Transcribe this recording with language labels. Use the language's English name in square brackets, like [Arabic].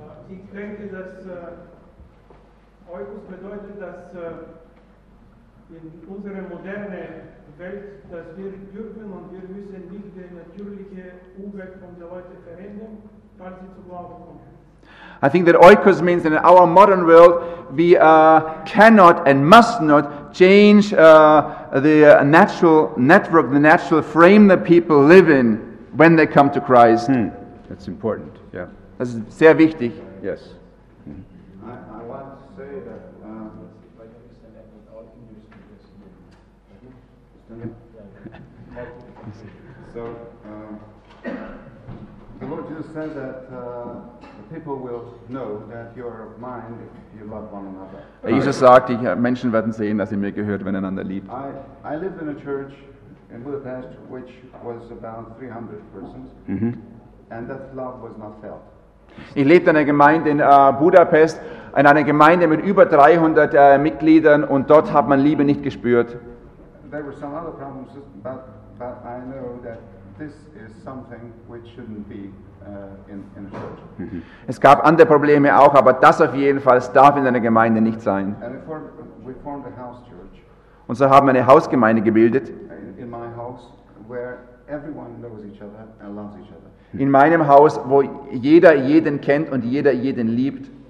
[German] Ich denke, dass oikos bedeutet, dass in unserer modernen Welt, dass wir dürfen und wir müssen nicht die natürliche Umwelt von der Leute verändern, falls sie zu Glauben kommen. [English] I think that oikos means in our modern world we cannot and must not change the natural network, the natural frame that people live in when they come to Christ. Hmm. That's important. Yeah. [German] Das ist sehr wichtig. [English] Yes. Mm-hmm. I want to say that. So, the Lord Jesus said that the people will know that you are of mine if you love one another. [German] Jesus sagt, die Menschen werden sehen, dass ihr mir gehört, wenn ihr einander liebt. [English] I lived in a church in Budapest, which was about 300 persons, and that love was not felt. [German] Ich lebte in einer Gemeinde in Budapest, in einer Gemeinde mit über 300 Mitgliedern, und dort hat man Liebe nicht gespürt. [English] There were some other problems, but I know that this is something which shouldn't be in a church. [German] Es gab andere Probleme auch, aber das auf jeden Fall darf in einer Gemeinde nicht sein. [English] And we formed a house church. [German] Und so haben wir eine Hausgemeinde gebildet. [English] In my house, where everyone knows each other and loves each other. [German] In meinem Haus, wo jeder jeden kennt und jeder jeden liebt.